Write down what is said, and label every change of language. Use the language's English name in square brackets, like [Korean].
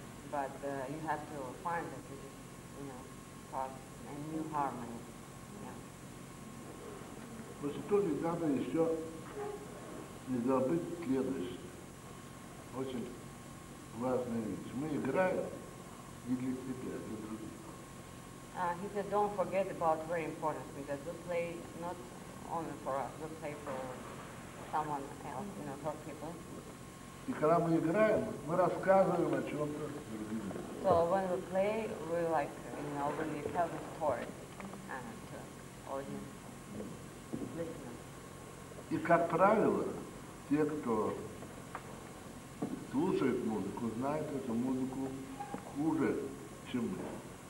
[English] But you have to find that this is, you know, part a new harmony. [Russian] После того, как надо еще не забыть следующее. Очень важная вещь. Мы играем не для себя, для других. [English] He said, don't forget about very important, because we play not only for us, we play for someone else, you know, for people. [Russian] И когда мы играем, мы рассказываем о чем-то другим. [English] So when we play, we like, you know, when we tell the story to audience, listeners. [Russian] И, как правило, те, кто слушает музыку, знают эту музыку хуже, чем мы.